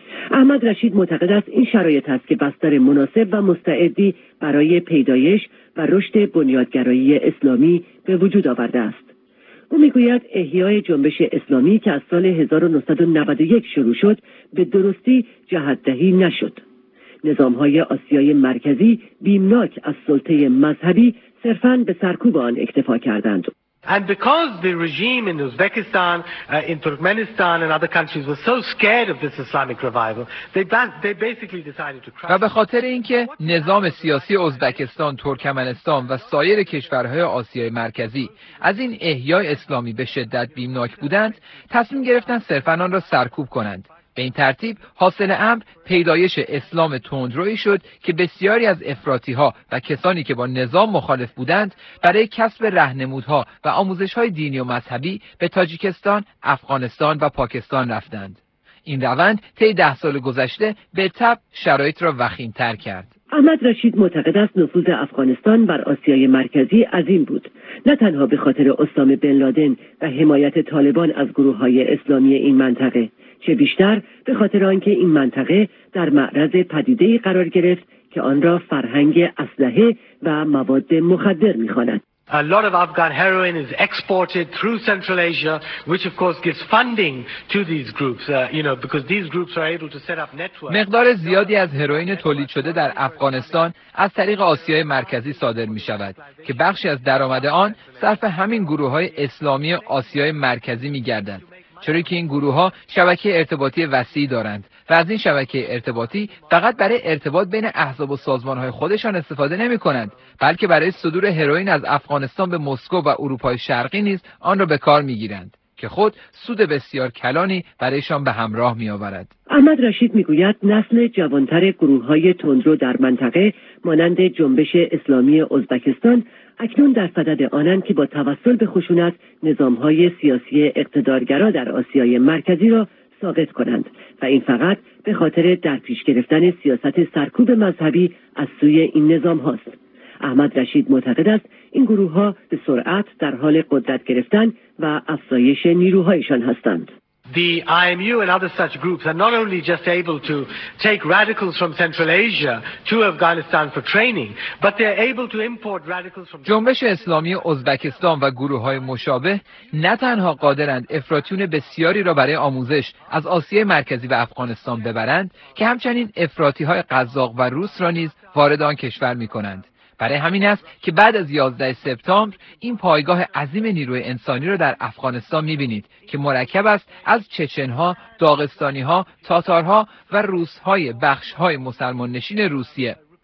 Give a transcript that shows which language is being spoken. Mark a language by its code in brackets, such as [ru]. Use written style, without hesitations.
[fa] احمد رشید معتقد است این شرایط است که بستر مناسب و مستعدی برای پیدایش و رشد بنیادگرایی اسلامی به وجود آورده است. او میگوید احیای جنبش اسلامی که از سال 1991 شروع شد به درستی جهت‌دهی نشد. نظام‌های آسیای مرکزی بیمناک از سلطه مذهبی صرفاً به سرکوب آن اکتفا کردند. [en] And because the regime in Uzbekistan, in Turkmenistan and other countries was so scared of this Islamic revival, they basically decided to crash. [fa] و به خاطر اینکه نظام سیاسی ازبکستان، ترکمنستان و سایر کشورهای آسیای مرکزی از این احیای اسلامی به شدت بیمناک بودند، تصمیم گرفتند صرفاً آن را سرکوب کنند. به این ترتیب حاصل امر پیدایش اسلام تندروی شد که بسیاری از افراطی‌ها و کسانی که با نظام مخالف بودند برای کسب رهنمودها و آموزش‌های دینی و مذهبی به تاجیکستان، افغانستان و پاکستان رفتند. این روند طی 10 سال گذشته به تبع شرایط را وخیم‌تر کرد. احمد رشید معتقد است نفوذ افغانستان بر آسیای مرکزی عظیم بود، نه تنها به خاطر اسامه بن لادن و حمایت طالبان از گروه‌های اسلامی این منطقه، چه بیشتر به خاطر آنکه این منطقه در معرض پدیده‌ای قرار گرفت که آن را فرهنگ اسلحه و مواد مخدر می‌خواند. [en] A lot of Afghan heroin is exported through Central Asia, which of course gives funding to these groups. Because these groups are able to set up networks. [fa] مقدار زیادی از هروئین تولید شده در افغانستان از طریق آسیای مرکزی صادر می شود که بخشی از درآمد آن صرف همین گروه‌های اسلامی آسیای مرکزی می گردد. چرا که این گروه ها شبکه ارتباطی وسیعی دارند و از این شبکه ارتباطی فقط برای ارتباط بین احزاب و سازمان های خودشان استفاده نمی کنند، بلکه برای صدور هروئین از افغانستان به مسکو و اروپای شرقی نیز آن را به کار می گیرند که خود سود بسیار کلانی برایشان به همراه می آورد. احمد رشید می گوید نسل جوانتر گروه های تندرو در منطقه مانند جنبش اسلامی ازبکستان اکنون در صدد آنند که با توسل به خشونت نظام‌های سیاسی اقتدارگرا در آسیای مرکزی را ساقط کنند و این فقط به خاطر در پیش گرفتن سیاست سرکوب مذهبی از سوی این نظام هاست. احمد رشید معتقد است این گروه‌ها به سرعت در حال قدرت گرفتن و افزایش نیروهایشان هستند. [en] The IMU and other such groups are not only just able to take radicals from Central Asia to Afghanistan for training, but they are able to import radicals from. [fa] جنبش اسلامی ازبکستان و گروه‌های مشابه نه تنها قادرند افراطیون بسیاری را برای آموزش از آسیای مرکزی به افغانستان ببرند، که همچنین افراطی‌های قزاق و روس را نیز وارد آن کشور می‌کنند. برای همین است که بعد از 11 سپتامبر این پایگاه عظیم نیروی انسانی را در افغانستان می‌بینید که مرکب است از چچن‌ها، داغستانی‌ها، تاتارها و روس‌های بخش‌های مسلمان نشین روسیه.